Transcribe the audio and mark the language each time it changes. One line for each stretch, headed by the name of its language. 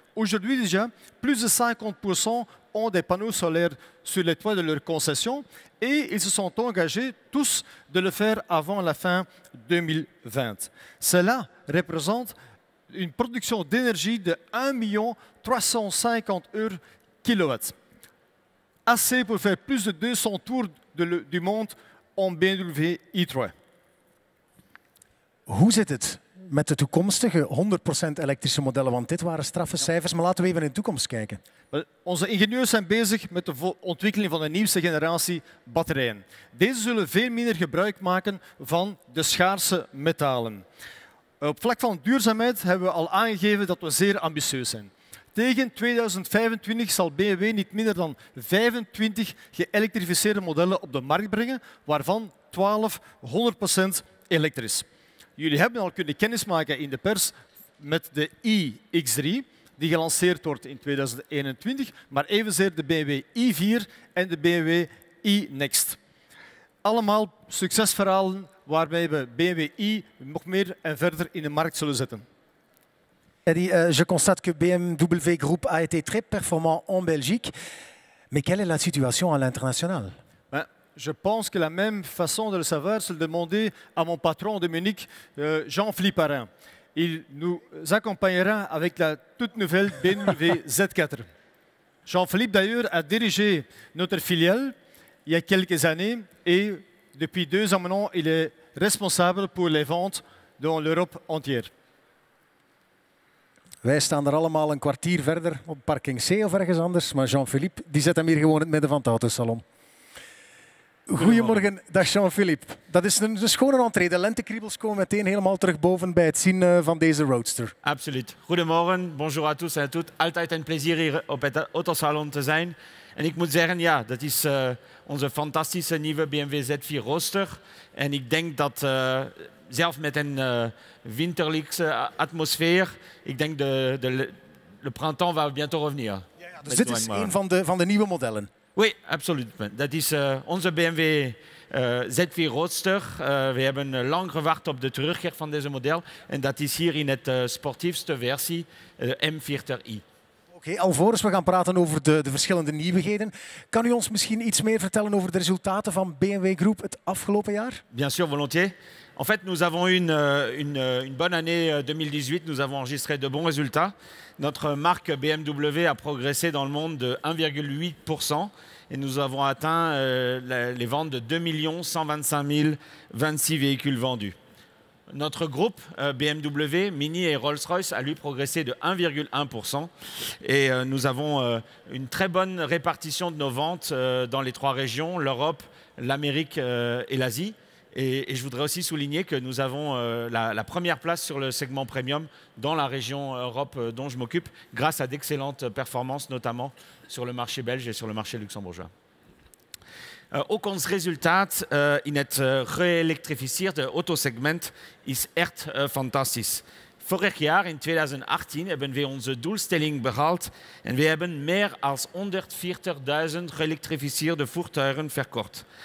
French: Aujourd'hui déjà, plus de 50% ont des panneaux solaires sur les toits de leur concession et ils se sont engagés tous de le faire avant la fin 2020. Cela représente une production d'énergie de 1 350 000 kWh. Assez pour faire plus de 200 tours du monde en BMW i3.
Dutch: Hoe zit het met de toekomstige 100% elektrische modellen? Want dit waren straffe cijfers, maar laten we even in de toekomst kijken. Onze ingenieurs zijn bezig met de ontwikkeling van de nieuwste generatie batterijen. Deze zullen veel minder gebruik maken van de schaarse metalen. Op vlak van duurzaamheid hebben we al aangegeven dat we zeer ambitieus zijn. Tegen 2025 zal BMW niet minder dan 25 geëlektrificeerde modellen op de markt brengen, waarvan 12 100% elektrisch. Jullie hebben al kunnen kennismaken in de pers met de iX3, die gelanceerd wordt in 2021, maar evenzeer de BMW i4 en de BMW iNext. Allemaal succesverhalen waarmee we BMW i nog meer en verder in de markt zullen zetten.
French: Eddy, je constate que BMW Group a été très performant en Belgique, mais quelle est la situation à l'international? Je pense que la même façon de le savoir, c'est de demander à mon patron de Munich, Jean Fliparin. Il nous accompagnera avec la toute nouvelle BMW Z4. Jean-Philippe, d'ailleurs, a dirigé notre filiale il y a quelques années et depuis 2 ans maintenant, il est responsable pour les ventes dans l'Europe entière.
Dutch: Wij staan er allemaal een kwartier verder op parking C of ergens anders, maar Jean-Philippe die zet hem hier gewoon in het midden van het autosalon. Goedemorgen, dag Jean-Philippe. Dat is een schone entree. De lentekriebels komen meteen helemaal terug boven bij het zien van deze Roadster. Absoluut. Goedemorgen,
French: bonjour à tous en à toutes.
Dutch: Altijd een plezier hier op het autosalon te zijn. En ik moet zeggen, ja, dat is onze fantastische nieuwe BMW Z4 Roadster. En ik denk dat... zelf met een winterlijke atmosfeer. Ik denk dat de
French: printemps va bientôt revenir.
Dutch: Ja, dus dit is een van de nieuwe modellen. Oui, absoluut. Dat is onze BMW Z4 Roadster. We hebben lang gewacht op de terugkeer van deze model. En dat is hier in het sportiefste versie, de M40i. Oké, alvorens we gaan praten over de verschillende nieuwigheden, kan u ons misschien iets meer vertellen over de resultaten van BMW Group het afgelopen jaar?
French: Bien sûr, volontiers. En fait, nous avons eu une bonne année 2018. Nous avons enregistré de bons résultats. Notre marque BMW a progressé dans le monde de 1,8% et nous avons atteint les ventes de 2 125 026 véhicules vendus. Notre groupe BMW, Mini et Rolls-Royce a lui progressé de 1,1% et nous avons une très bonne répartition de nos ventes dans les trois régions, l'Europe, l'Amérique et l'Asie. Et je voudrais aussi souligner que nous avons la première place sur le segment premium dans la région Europe dont je m'occupe, grâce à d'excellentes performances, notamment sur le marché belge et sur le marché luxembourgeois.
Dutch: Ook ons resultaat in het geëlektrificeerde autosegment is echt fantastisch. Vorig jaar, in 2018, hebben we onze doelstelling behaald en we hebben meer dan 140.000 geëlektrificeerde voertuigen verkocht.